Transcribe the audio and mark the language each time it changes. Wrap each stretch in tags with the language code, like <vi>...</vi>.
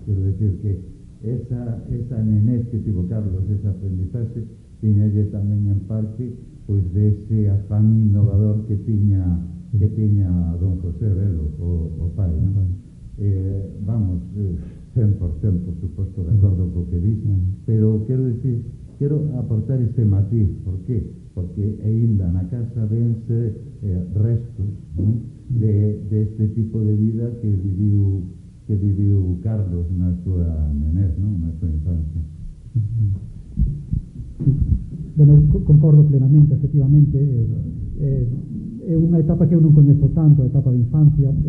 <gl>Quero decir que esa nenez que tivo Carlos, ese aprendizaje, tiñalle tamén en parte pois dese afán innovador que tiña don José Velo, o pai, ¿no?</gl> <es>Vamos, 100%, por supuesto, de acordo con lo que dicen, pero quiero decir, quiero aportar este matiz.</es> <gl>¿Por qué? Porque ainda na casa vense restos, ¿no? de este tipo de vida que viviu Carlos na súa nenez, ¿no? Na súa infancia. Bueno, concordo plenamente, efectivamente. É unha etapa que eu non coñezo tanto, a etapa de infancia.</gl>